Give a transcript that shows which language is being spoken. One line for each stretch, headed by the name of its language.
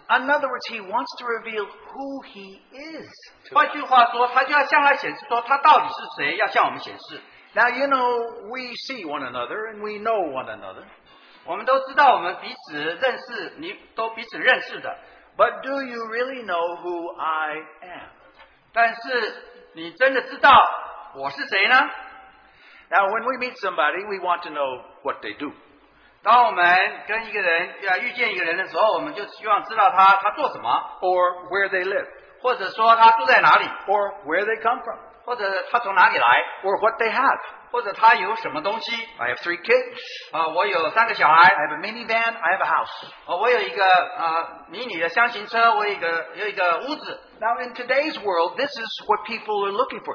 English: In other words, he wants to reveal who he is.
Chinese: 换句话说,他就要向他显示说他到底是谁,要向我们显示。
English: Now you know, we see one another and we know one another.
Chinese: 我们都知道我们彼此认识,你都彼此认识的。
English: But do you really know who I am?
Chinese: 但是你真的知道我是谁呢?
English: Now when we meet somebody, we want to know what they do.
Chinese: 当我们跟一个人遇见一个人的时候，我们就希望知道他做什么，
English: or where they live,
Chinese: 或者说他住在哪里，
English: or where they come from,
Chinese: 或者他从哪里来，
English: or what they have,
Chinese: 或者他有什么东西。
English: I have three kids.
Chinese: 我有三个小孩。
English: I have a minivan. I have a house.
Chinese: 我有一个迷你的箱型车，我有一个屋子。
English: Now in today's world, this is what people are looking for.